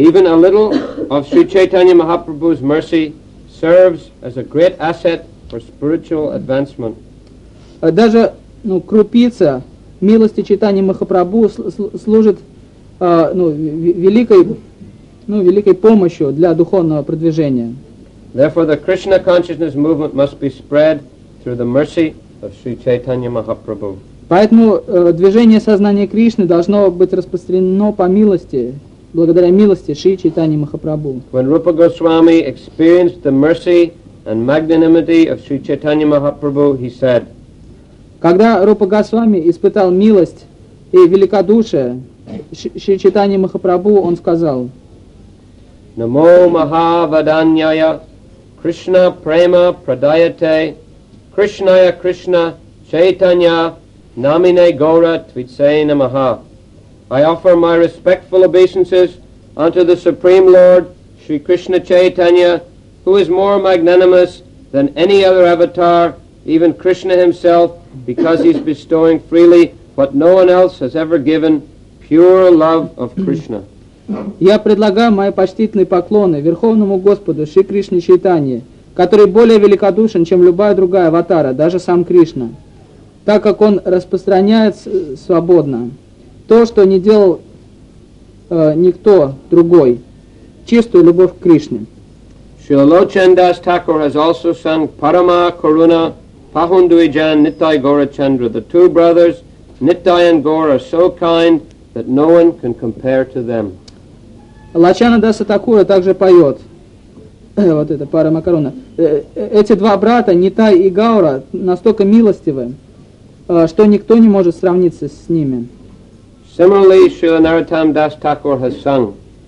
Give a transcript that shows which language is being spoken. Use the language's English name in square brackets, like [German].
[English] Even a little of Sri Chaitanya Mahaprabhu's mercy serves as a great asset for spiritual advancement. [Russian] Даже, ну, крупица милости Чайтани Махапрабху служит великой помощью для духовного продвижения. [English] Therefore, the Krishna consciousness movement must be spread through the mercy of Sri Chaitanya Mahaprabhu. [Russian] Поэтому движение сознания Кришны должно быть распространено по милости, благодаря милости Шри Чайтани Махапрабху. [English] When Rupa Goswami experienced the mercy and magnanimity of Sri Chaitanya Mahaprabhu, he said, [Russian] когда Рупа Госвами испытал милость и великодушие Шри Чайтани Махапрабху, он сказал, [Sanskrit] Namo Mahavadanyaya Krishna Prema Pradayate Krishnaya Krishna Chaitanya Namine Gaura Tvitsena Maha. [English] I offer my respectful obeisances unto the Supreme Lord Sri Krishna Chaitanya who is more magnanimous than any other avatar, even Krishna himself, because he's bestowing freely what no one else has ever given, pure love of Krishna. [Russian] Я предлагаю мои почтительные поклоны Верховному Господу Шри Кришне Чайтанье, который более великодушен, чем любая другая аватара, даже сам Кришна, так как он распространяет свободно то, что не делал никто другой, чистую любовь к Кришне. [English] Шрила Лочандас Такур has also sung [Bangla] Parama Karuna Pahundwijan Nittai Gaura Chandra. [English] The two brothers, Nittai and Gaura, are so kind that no one can compare to them. [Russian] Лочандаса Такура также поет вот это, Парама Каруна. Эти два брата, Нитай и Гаура, настолько милостивы, что никто не может сравниться с ними. [English] Similarly, Srila Narottam Das Thakur has sung.